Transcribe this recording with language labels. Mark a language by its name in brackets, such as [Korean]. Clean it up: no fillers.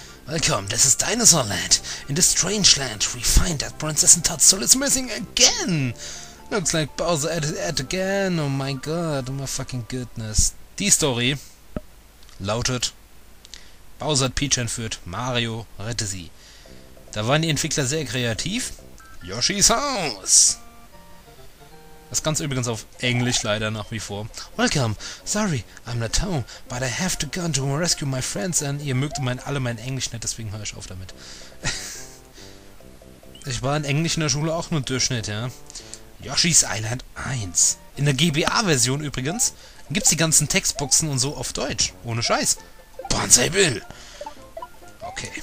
[English] Welcome, this is Dinosaur Land. In this strange land, we find that Princess Toad's soul is missing again. Looks like Bowser added it again. Oh my god, oh my fucking goodness. [German] Die Story lautet: Bowser hat Peach entführt, Mario rette sie. Da waren die Entwickler sehr kreativ. Yoshi's House. Das Ganze übrigens auf Englisch leider nach wie vor. [English] Welcome. Sorry, I'm not home, but I have to go to rescue my friends and... [German] Ihr mögt alle mein Englisch nicht, deswegen höre ich auf damit. Ich war in Englisch in der Schule auch nur Durchschnitt, ja. Yoshi's Island 1. In der GBA-Version übrigens gibt's die ganzen Textboxen und so auf Deutsch. Ohne Scheiß. Banzai Bill. Okay.